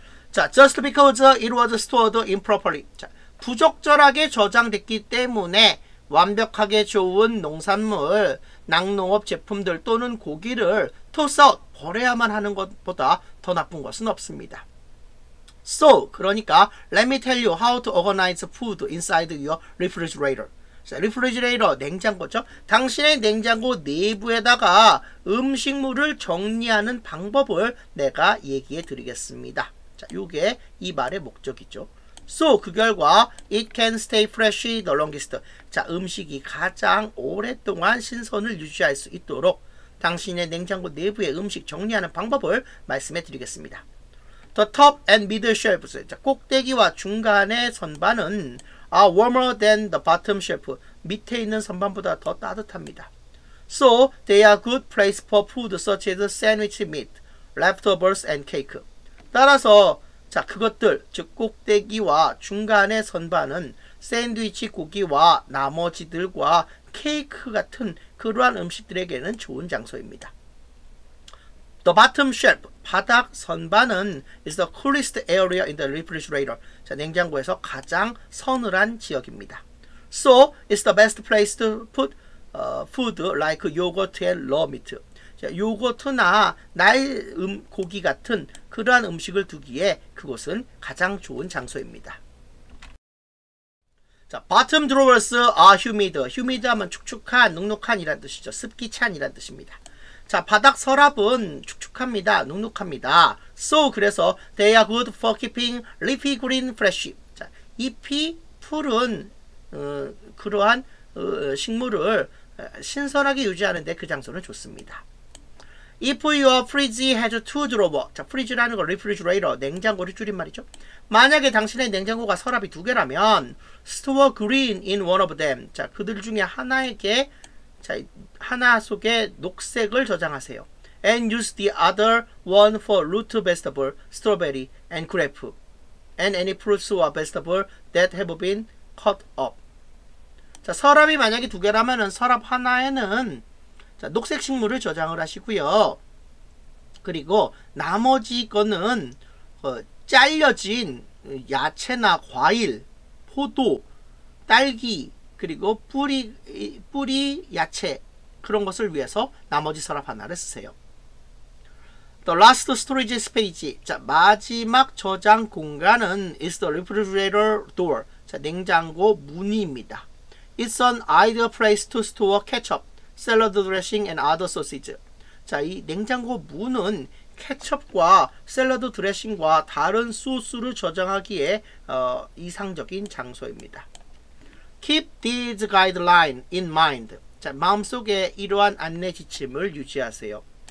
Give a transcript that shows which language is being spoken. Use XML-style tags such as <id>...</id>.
<en>자, just because it was stored improperly.</en> <ko>자, 부적절하게 저장됐기 때문에 완벽하게 좋은 농산물, 낙농업 제품들 또는 고기를</ko> <en>toss out,</en> <ko>버려야만 하는 것보다 더 나쁜 것은 없습니다.</ko> <en>So,</en> <ko>그러니까</ko> <en>let me tell you how to organize food inside your refrigerator.</en> <ko>자, refrigerator, 냉장고죠. 당신의 냉장고 내부에다가 음식물을 정리하는 방법을 내가 얘기해 드리겠습니다. 자, 요게 이 말의 목적이죠.</ko> <en>So,</en> <ko>그 결과</ko> <en>it can stay fresh the longest.</en> <ko>자, 음식이 가장 오랫동안 신선을 유지할 수 있도록 당신의 냉장고 내부의 음식 정리하는 방법을 말씀해 드리겠습니다.</ko> <en>The top and middle shelves,</en> <ko>자, 꼭대기와 중간의 선반은</ko> <en>are warmer than the bottom shelf,</en> <ko>밑에 있는 선반보다 더 따뜻합니다.</ko> <en>So, they are good place for food such as sandwich meat, leftovers and cake.</en> <ko>따라서, 자, 그것들, 즉 꼭대기와 중간의 선반은 샌드위치 고기와 나머지들과 케이크 같은 그러한 음식들에게는 좋은 장소입니다.</ko> <en>The bottom shelf,</en> <ko>바닥 선반은</ko> <en>is the coolest area in the refrigerator.</en> <ko>자, 냉장고에서 가장 서늘한 지역입니다.</ko> <en>So, it's the best place to put food like yogurt and raw meat.</en> <ko>자, 요거트나 날 고기 같은 그러한 음식을 두기에 그곳은 가장 좋은 장소입니다. 자,</ko> <en>bottom drawers are humid.</en> <ko>Humid 하면 축축한, 눅눅한 이란 뜻이죠. 습기 찬 이란 뜻입니다. 자, 바닥 서랍은 축축합니다. 눅눅합니다.</ko> <en>So,</en> <ko>그래서</ko> <en>they are good for keeping leafy green fresh.</en> <ko>자, 잎이 푸른 그러한 식물을 신선하게 유지하는데 그 장소는 좋습니다.</ko> <en>If your fridge has two drawers.</en> <ko>자, fridge라는 건 refrigerator, 냉장고를 줄인 말이죠. 만약에 당신의 냉장고가 서랍이 두 개라면</ko> <en>store green in one of them.</en> <ko>자, 그들 중에 하나에게 자, 하나 속에 녹색을 저장하세요.</ko> <en>and use the other one for root vegetable, strawberry, and grape, and any fruits or vegetable that have been cut up.</en> <ko>자, 서랍이 만약에 두 개라면은 서랍 하나에는 자, 녹색 식물을 저장을 하시고요. 그리고 나머지 거는 잘려진 야채나 과일, 포도, 딸기, 그리고 뿌리 야채 그런 것을 위해서 나머지 서랍 하나를 쓰세요.</ko> <en>The last storage space.</en> <ko>자, 마지막 저장 공간은</ko> <en>is the refrigerator door.</en> <ko>자, 냉장고 문입니다.</ko> <en>It's an ideal place to store ketchup, salad dressing and other sauces.</en> <ko>자, 이 냉장고 문은 케첩과 샐러드 드레싱과 다른 소스를 저장하기에 이상적인 장소입니다.</ko> <en>Keep these guidelines in mind.</en> <ko>자, 마음속에 이러한 안내 지침을 유지하세요.</ko>